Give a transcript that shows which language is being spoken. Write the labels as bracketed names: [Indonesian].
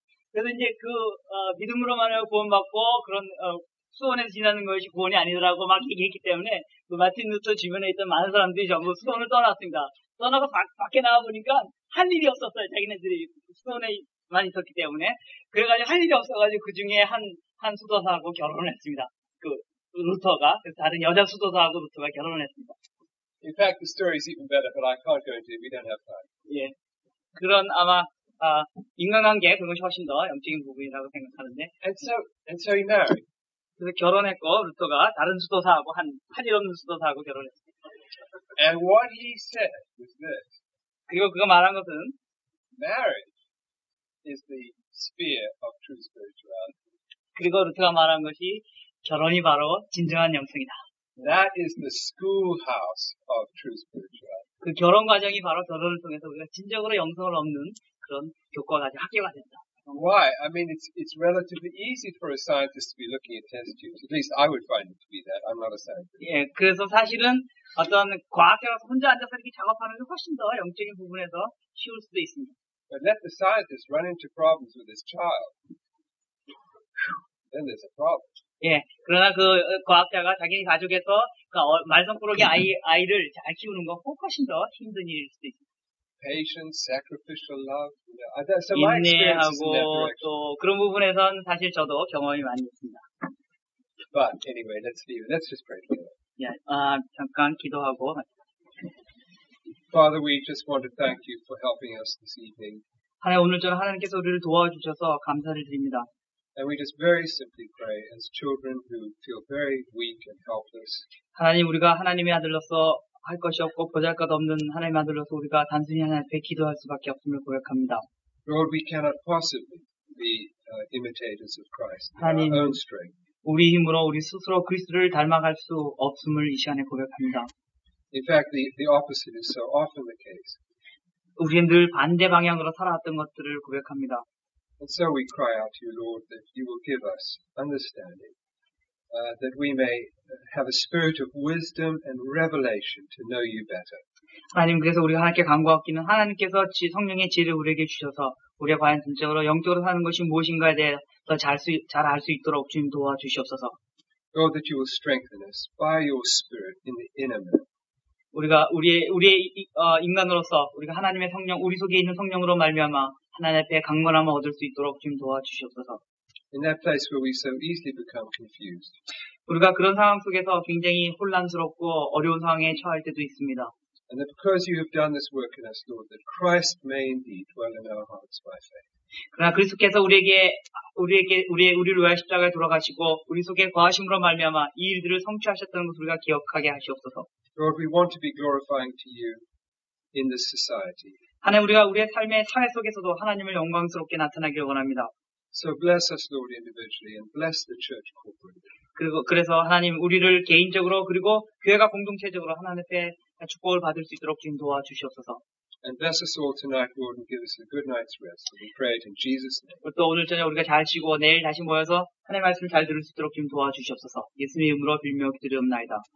[Korean] 그래서 이제 그 믿음으로만 구원받고 그런 수원에서 지나는 것이 구원이 아니더라고 막 얘기했기 때문에 그 마틴 루터 주변에 있던 많은 사람들이 전부 수원을 떠났습니다. 떠나고 밖에 나와 보니까 할 일이 없었어요. 자기네들이 수원에 많이 있었기 때문에 그래가지고 할 일이 없어가지고 그 중에 한 수도사하고 결혼을 했습니다. 그 루터가 다른 여자 수도사하고 루터가 결혼을 했습니다. [English] In fact, the story is even better, but I can't go into it. We don't have time. [Korean] 예, 그런 아마 인간관계 그런 것이 훨씬 더 영적인 부분이라고 생각하는데. [English] And so he married. [Korean] 그래서 결혼했고 루터가 다른 수도사하고 한 할 일 없는 수도사하고 결혼했습니다. [English] And what he said was this. [Korean] 그리고 그가 말한 것은 [English] married. Is the sphere of true spirituality. [Korean] 그리고 루터가 말한 것이 결혼이 바로 진정한 영성이다. [English] That is the schoolhouse of true spirituality. [Korean] 그 결혼 과정이 바로 결혼을 통해서 우리가 진정으로 영성을 얻는 그런 교과 과정, 학교가 된다. [English] Why? I mean, it's relatively easy for a scientist to be looking at test tubes. At least I would find it to be that. I'm not a scientist. [Korean] 예, 그래서 사실은 어떤 과학자로서 혼자 앉아서 이렇게 작업하는 게 훨씬 더 영적인 부분에서 쉬울 수도 있습니다. [English] But let the scientist run into problems with his child. Then there's a problem. [Korean] 예, 그러나 그 과학자가 자기 가족에서 그 말썽꾸러기 아이를 잘 키우는 건 훨씬 더 힘든 일일 수도 있어요. [English] Patience, sacrificial love. You know, so my experience is in that direction. [Korean] 또 그런 부분에선 사실 저도 경험이 많이 있습니다. [English] But anyway, let's leave. Let's just pray together. [Korean] 예, 잠깐 기도하고. [English] Father, we just want to thank you for helping us this evening. [Korean] 하나님 오늘 저 하나님께서 우리를 도와주셔서 감사를 드립니다. [English] And we just very simply pray as children who feel very weak and helpless. [Korean] 하나님 우리가 하나님의 아들로서 할 것이 없고 보잘것 없는 하나님의 아들로서 우리가 단순히 하나님 앞에 기도할 수밖에 없음을 고백합니다. [English] Lord, we cannot possibly be imitators of Christ in our own strength. [Korean] 우리 힘으로 우리 스스로 그리스도를 닮아갈 수 없음을 이 시간에 고백합니다. [English] In fact, the opposite is so often the case. [Korean] 우리는 늘 반대 방향으로 살아왔던 것들을 고백합니다. [English] And so we cry out to you, Lord, that you will give us understanding, that we may have a spirit of wisdom and revelation to know you better. [Korean] 하나님, 그래서 우리가 하나님께 간구하기는 하나님께서 성령의 지혜를 우리에게 주셔서 우리가 과연 진짜로 영적으로 사는 것이 무엇인가에 대해 더 잘 알 수 있도록 주님 도와주시옵소서. [English] Lord, that you will strengthen us by your spirit in the inner man. [Korean] 우리가 우리의 인간으로서 우리가 하나님의 성령 우리 속에 있는 성령으로 말미암아 하나님 앞에 강건함을 얻을 수 있도록 좀 도와주시옵소서. [English] In that place where we so easily become confused. [Korean] 우리가 그런 상황 속에서 굉장히 혼란스럽고 어려운 상황에 처할 때도 있습니다. [English] And that because you have done this work in us, Lord, that Christ may indeed dwell in our hearts by faith. [Korean] 그러나 그리스도께서 우리를 위하여 십자가에 돌아가시고 우리 속에 거하심으로 말미암아 이 일들을 성취하셨다는 것을 우리가 기억하게 하시옵소서. [English] Lord, we want to be glorifying to you in this society. [Korean] 하나님 우리가 우리의 삶의 사회 속에서도 하나님을 영광스럽게 나타나길 원합니다. [English] So bless us, Lord, individually, and bless the church corporately. [Korean] 그리고 그래서 하나님 우리를 개인적으로 그리고 교회가 공동체적으로 하나님께 축복을 받을 수 있도록 좀 도와주시옵소서. [English] And bless us all tonight, Lord, and give us a good night's rest. We pray it in Jesus' name. [Korean] 또 오늘 저녁 우리가 잘 쉬고 내일 다시 모여서 하나님 말씀을 잘 들을 수 있도록 좀 도와주시옵소서. 예수님의 이름으로 빌며 기도드리옵나이다.